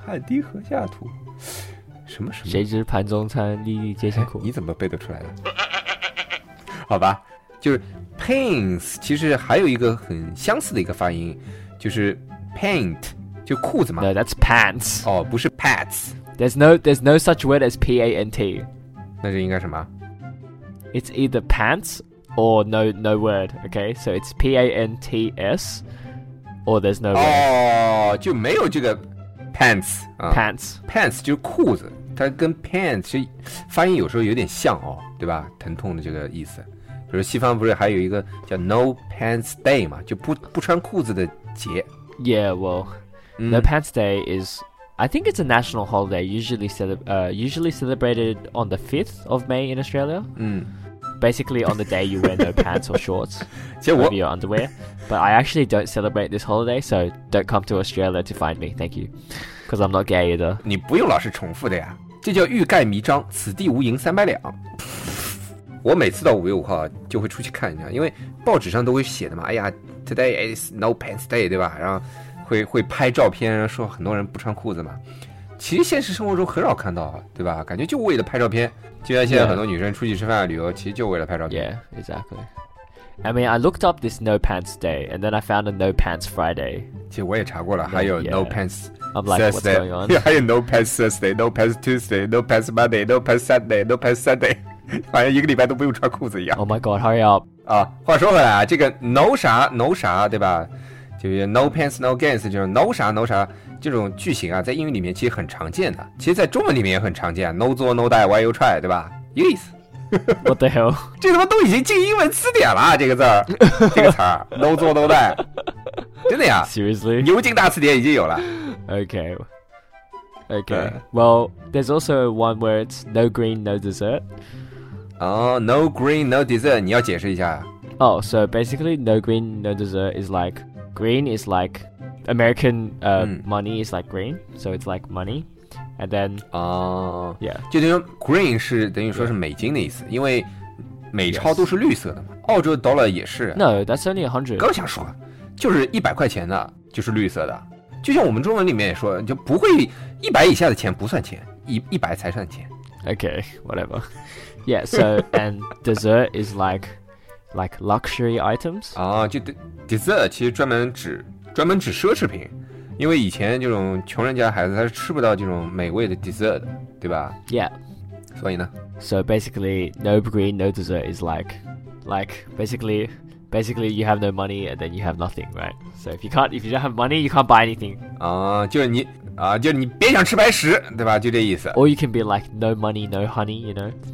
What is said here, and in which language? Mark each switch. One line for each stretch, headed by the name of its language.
Chinese: 汗滴禾下土，什么什么？谁知盘中餐，粒粒皆辛苦。你怎么背得出来了？好吧，就是 pains， 其实还有一个很相似的一个发音，就是 paint， 就裤子嘛。
English: No, that's pants.
Chinese: 哦，不是 pants。
English: There's no such word as P-A-N-T.
Chinese: 那就应该什么
English: ？It's either pants. Or no word, okay? So it's P-A-N-T-S, or there's no word.
Chinese: 哦，就没有这个 pants、
English: 啊。Pants.
Chinese: Pants 就是裤子，它跟 pants 其实发音有时候有点像哦，对吧？疼痛的这个意思。比如西方不是还有一个叫 No Pants Day 嘛，就不穿裤子的节。
English: Yeah, well,、No Pants Day is, I think it's a national holiday, usually celebrated on the 5th of May in Australia. 嗯。 Basically, on the day you wear no pants or shorts, maybe your underwear. But I actually don't celebrate this holiday, so don't come to Australia to find me. Thank you, because I'm not gay either.
Chinese: 你不用老是重复的呀，这叫欲盖弥彰，此地无银三百两。我每次到五月五号就会出去看一下，因为报纸上都会写的嘛。哎呀 ，
English: Today is no pants day,
Chinese: 对吧？然后会拍照片，说很多人不穿裤子嘛。其实现实生活中很少看到，对吧？感觉就为了拍照片。就像现在很多女生出去吃饭、旅游，其实就为了拍照片。
English: Yeah, exactly. I mean, I looked up this No Pants Day, and then I found a No Pants Friday.
Chinese: 其实我也查过了，还有 No Pants
English: I'm like, what's going on? 还有 No Pants Thursday, No Pants Tuesday, No Pants Monday, No Pants Sunday, No Pants Sunday.
Chinese: 好像一个礼拜都不用穿裤子一样。
English: Oh my God, hurry up.
Chinese: 啊，话说回来啊，这个 No 啥 No 啥，对吧？就是
English: No Pants No Gains，
Chinese: 就是 No 啥 No 啥。这种句型啊，在英语里面其实很常见的，其实在中文里面也很常见。
English: No 做 no die why you try， 对吧？
Chinese: 一个意思。
English: What the hell？
Chinese: 这他妈都已经进英文词典了，这个字儿，这个词儿。
English: No 做 no die，
Chinese: 真的呀
English: ？Seriously？
Chinese: 牛津大词典已经有了。
English: Okay. Okay. Well, there's also one word: no green, no dessert. Oh, no green, no dessert.
Chinese: 你要解释一下。
English: Oh, so basically, no green, no dessert is like green is like. American money is like green, so it's like money, and then yeah,
Chinese: 就等于 green 是等于说是美金的意思，因为美钞都是绿色的嘛。澳洲 dollar 也是。
English: No, that's only 100.
Chinese: 刚想说，就是100块钱的，就是绿色的。就像我们中文里面也说，就不会100以下的钱不算钱，一百才算钱。
English: Okay, whatever. Yeah, so and dessert is like luxury items.
Chinese: 啊，就 dessert 其实专门指奢侈品，因为以前这种穷人家孩子他是吃不到这种美味的 dessert 的，对吧？
English: Yeah.
Chinese: 所以呢？
English: So basically, no green, no dessert is like basically you have no money and then you have nothing, right? So if you don't have money, you can't buy anything.
Chinese: 就是你别想吃白食，对吧？就这意思。
English: Or you can be like no money, no honey, you know?